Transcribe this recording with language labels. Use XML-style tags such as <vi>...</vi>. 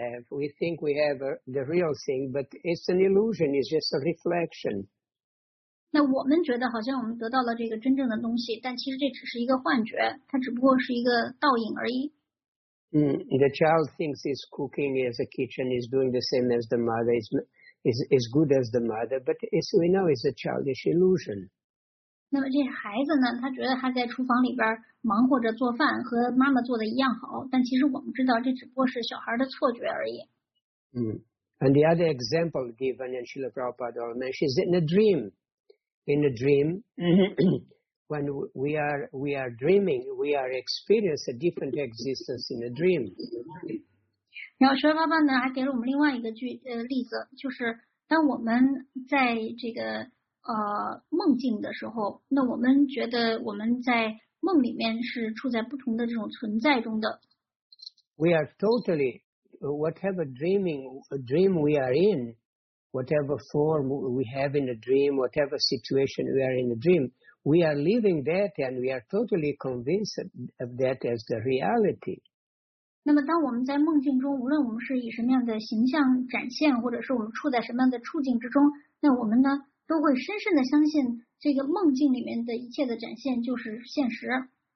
<en>We think we have the real thing, but it's an illusion. It's just a reflection.</en> <zh>那我们觉得好像我们得到了这个真正的东西，但其实这只是一个幻觉，它只不过是一个倒影而已。</zh> <en>The child thinks his cooking, his kitchen, is doing the same as the mother, is good as the mother, but as we know, it's a childish illusion.</en> <zh>那么这孩子呢，他觉得他在厨房里边忙活着做饭，和妈妈做的一样好，但其实我们知道，这只不过是小孩的错觉而已。</zh> <en>And the other example given in Srila Prabhupada mentions in a dream. In a dream, when we are dreaming, we are experiencing a different existence in a dream.</en> <zh>然后 Srila Prabhupada 呢还给了我们另外一个例子，就是当我们在这个梦境的时候，那我们觉得我们在梦里面是处在不同的这种存在中的。</zh> <en>We are totally. Whatever dream we are in, whatever form we have in a dream, whatever situation we are in a dream, we are living that and we are totally convinced of that as the reality.</en> <zh>那么当我们在梦境中，无论我们是以什么样的形象展现，或者是我们处在什么样的处境之中，那我们呢，都会深深的相信这个梦境里面的一切的展现就是现实。</zh>